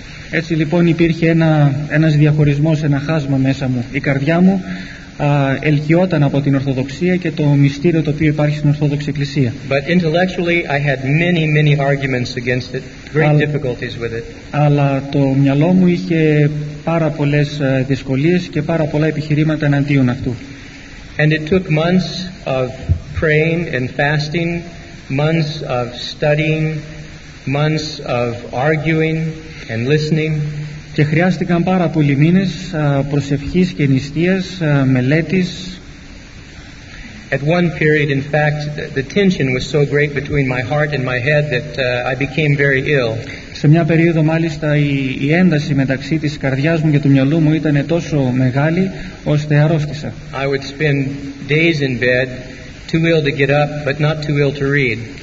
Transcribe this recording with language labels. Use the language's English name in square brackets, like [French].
[Greek] Έτσι λοιπόν υπήρχε ένας διαχωρισμός, ένα χάσμα μέσα μου. Η καρδιά μου ελκυόταν από την Ορθοδοξία και το μυστήριο το οποίο υπάρχει στην Ορθόδοξη Εκκλησία. [English] But intellectually, I had many, many arguments against it. Great difficulties with it. [Greek] Αλλά το μυαλό μου είχε πάρα πολλές δυσκολίες και πάρα πολλά επιχειρήματα εναντίον αυτού. [English] And it took months of praying and fasting, months of studying, months of arguing and listening. [Greek] Και χρειάστηκαν πάρα πολλοί μήνες προσευχής και νηστείας, μελέτης. [English] At one period, in fact, the tension was so great between my heart and my head that I became very ill. [Greek] Σε μια περίοδο, μάλιστα, η ένταση μεταξύ της καρδιάς μου και του μυαλού μου ήταν τόσο μεγάλη, ώστε αρρώστησα. [English] I would spend days in bed, too ill to get up, but not too ill to read.